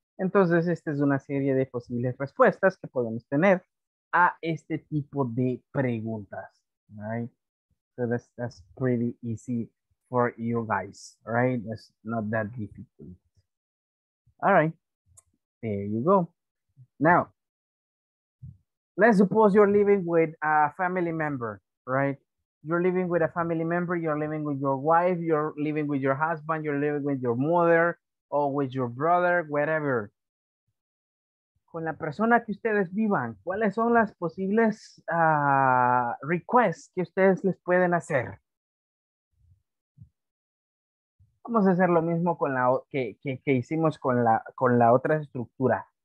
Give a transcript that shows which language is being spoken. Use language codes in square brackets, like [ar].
[es] Entonces, esta es una serie de posibles respuestas que podemos tener a este tipo de preguntas, right? [en] So that's pretty easy for you guys, right? That's not that difficult. All right, there you go. Now, let's suppose you're living with a family member, right? You're living with a family member, you're living with your wife, you're living with your husband, you're living with your mother, or with your brother, whatever. [es] Con la persona que ustedes vivan, ¿cuáles son las posibles requests que ustedes les pueden hacer? Vamos a hacer lo mismo con la que hicimos con la otra estructura.